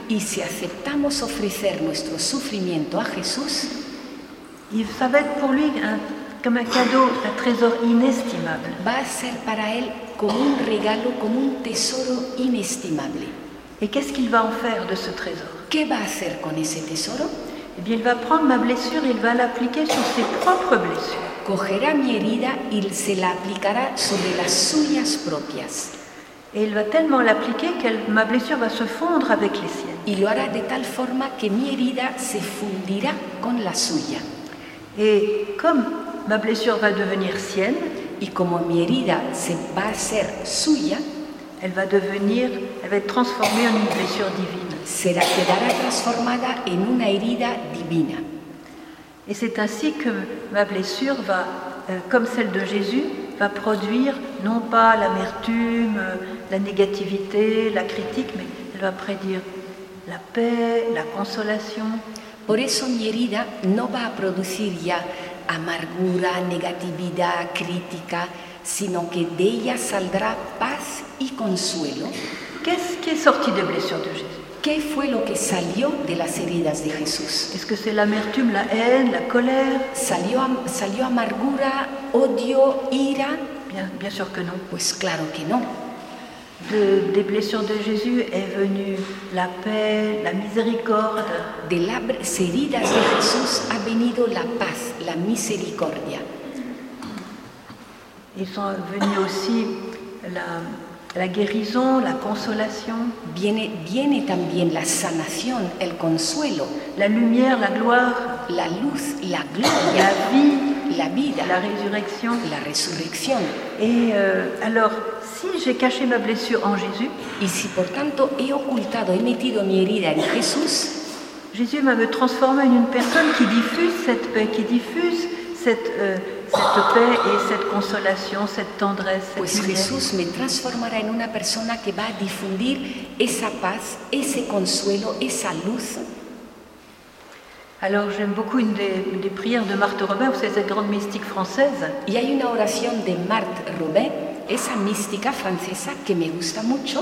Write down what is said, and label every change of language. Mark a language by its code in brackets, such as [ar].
[es] y si aceptamos ofrecer nuestro sufrimiento a Jesús, [fr] ça va être pour lui comme un cadeau, un trésor inestimable. [es] Va a ser para él como un regalo, como un tesoro inestimable. [fr] Et qu'est-ce qu'il va en faire de ce trésor? [es] ¿Qué va a hacer con ese tesoro? [fr] Eh bien, il va prendre ma blessure et il va l'appliquer sur ses propres blessures. [es] Cogerá mi herida y se la aplicará sobre las suyas propias. [fr] Et il va tellement l'appliquer que ma blessure va se fondre avec les siennes. [es] Y lo hará de tal forma que mi herida se fundirá con la suya. [fr] Et comme ma blessure va devenir sienne, [es] y como mi herida se va a ser suya, [fr] elle va être transformée en une blessure divine. [es] Se la quedará transformada en una herida divina. [fr] Et c'est ainsi que ma blessure va, comme celle de Jésus, va produire non pas l'amertume, la négativité, la critique, mais elle va prédire la paix, la consolation. [es] Por eso mi herida no va a producir ya amargura, negatividad, crítica, sino que de ella saldrá paz y consuelo. ¿Qué es [fr] sorti de blessure de Jésus? [es] ¿Qué fue lo que salió de las heridas de Jesús? ¿Es que [fr] c'est l'amertume, la haine, la colère? [es] ¿Salió amargura, odio, ira? [fr] Bien sûr que non. [es] Pues claro que no. [fr] Des blessures de Jésus est venue la paix, la miséricorde. [es] De las heridas de Jesús ha venido la paz, la misericordia. [fr] Ils sont venus aussi la guérison, la consolation. [es] Viene también la sanación, el consuelo. [fr] La lumière, la gloire. [es] La luz, la gloria. [fr] La vie. [es] La vida. [fr] La résurrection. [es] La resurrección. [fr] Et alors, si j'ai caché ma blessure en Jésus, [es] y si por tanto he ocultado, he metido mi herida en Jesús, [fr] Jésus va me transformer en une personne qui diffuse cette paix, qui diffuse cette... cette paix et cette consolation, cette tendresse, cette [es] lumière. Pues Jesús me transformará en una persona que va a difundir esa paz, ese consuelo, esa luz. [fr] Alors j'aime beaucoup une des prières de Marthe Robin, vous savez, cette grande mystique française. [es] Y hay una oración de Marthe Robin, esa mística francesa, que me gusta mucho.